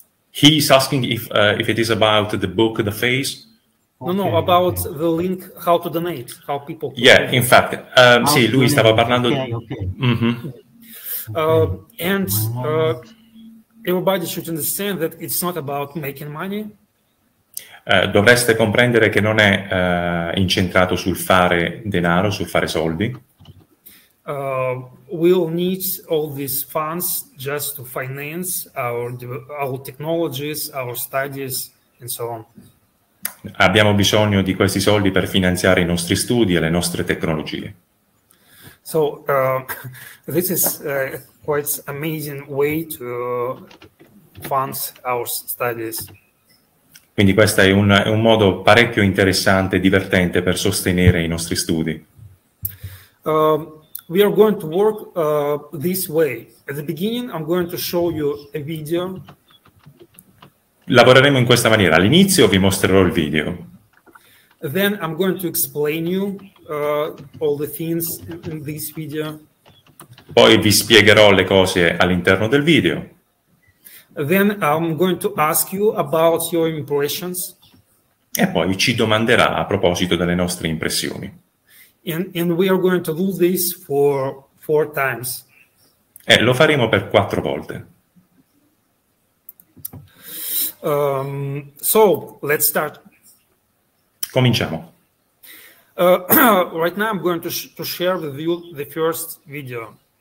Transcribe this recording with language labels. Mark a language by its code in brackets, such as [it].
[en] He is asking if it is about the book The Phase. Okay. No, about the link, how to donate, how people. Yeah, donate. In fact, [it] sì, lui [en] donate. [it] Stava parlando. [en] Okay, okay. Mm-hmm. Okay. And everybody should understand that it's not about making money. [it] Dovreste comprendere che non è incentrato sul fare denaro, sul fare soldi. [en] We'll need all these funds just to finance our technologies, our studies, and so on. [it] Abbiamo bisogno di questi soldi per finanziare i nostri studi e le nostre tecnologie. [en] So, this is quite amazing way to fund our studies. [it] Quindi questo è un modo parecchio interessante e divertente per sostenere i nostri studi. [en] We are going to work this way. At the beginning, I'm going to show you a video. [it] Lavoreremo in questa maniera. All'inizio vi mostrerò il video. [en] Then I'm going to explain you all the things in this video. [it] Poi vi spiegherò le cose all'interno del video. [en] Then I'm going to ask you about your impressions. [it] E poi ci domanderà a proposito delle nostre impressioni. [en] And we are going to do this for four times. [it] Lo faremo per quattro volte. [en] So let's start. [it] Cominciamo. [en] Right now I'm going to share with you the first video.